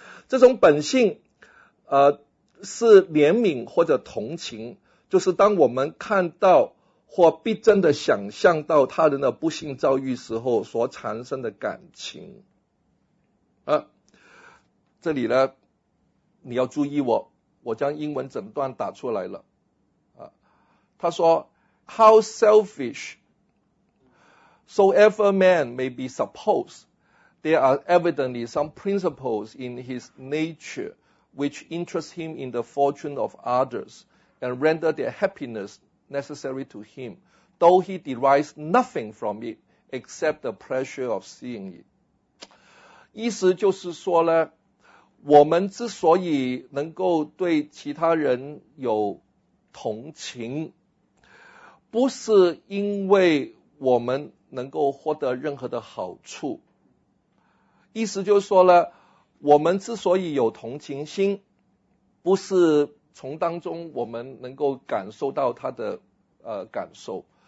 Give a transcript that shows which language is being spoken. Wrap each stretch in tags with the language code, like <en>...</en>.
<zh>这种本性是怜悯或者同情，就是当我们看到或逼真的想象到他人的不幸遭遇时候所产生的感情。这里呢你要注意，我将英文整段打出来了。他说</zh> <en>How selfish soever man may be supposed, there are evidently some principles in his nature which interest him in the fortune of others and render their happiness necessary to him, though he derives nothing from it except the pleasure of seeing it.</en> <zh>意思就是说呢，我们之所以能够对其他人有同情，不是因为我们能够获得任何的好处，意思就是说呢，我们之所以有同情心，不是从当中我们能够感受到他的感受。</zh>